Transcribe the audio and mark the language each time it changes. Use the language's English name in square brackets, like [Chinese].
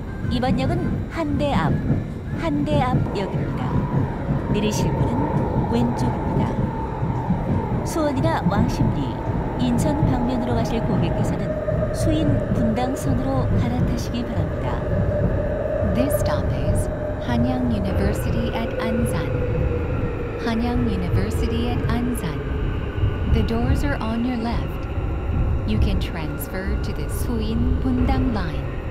[Korean] 이번 역은 한대앞역입니다. 내리실 문은 왼쪽입니다. 수원이나 왕십리, 인천 방면으로 가실 고객께서는 수인 분당선으로 갈아타시기 바랍니다. [English] This stop is 한양 University at 안산. 한양 University at 안산. The doors are on your left. You can transfer to the 수인 분당 line.